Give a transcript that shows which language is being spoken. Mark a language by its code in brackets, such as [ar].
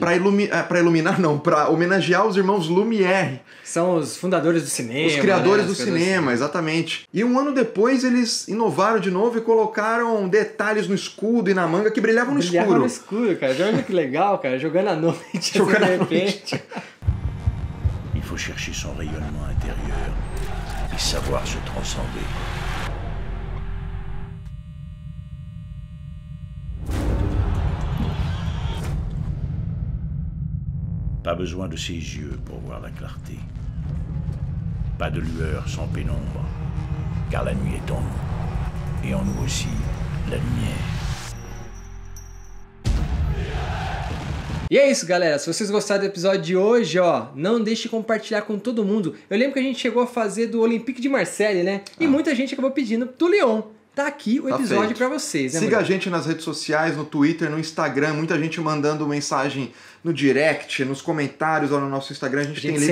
[pt] Pra homenagear os irmãos Lumière. São os fundadores do cinema. Os criadores do cinema, exatamente. E um ano depois, eles inovaram de novo e colocaram detalhes no escudo e na manga que brilhavam no escuro, cara. Olha que legal, cara. Jogando à noite. Jogando à noite. [fr] Il faut chercher son rayonnement intérieur et savoir se transcender. Pas besoin de ses yeux pour voir la clarté. Pas de lueur sans pénombre, car la nuit est en nous, et en nous aussi la lumière. [pt] E é isso, galera. Se vocês gostaram do episódio de hoje, ó, não deixe de compartilhar com todo mundo. Eu lembro que a gente chegou a fazer do Olympique de Marseille, né? E muita gente acabou pedindo do Lyon. Tá aqui o episódio pra vocês, né? Siga a gente nas redes sociais, no Twitter, no Instagram. Muita gente mandando mensagem no direct, nos comentários ou no nosso Instagram. A gente tem lido tudo.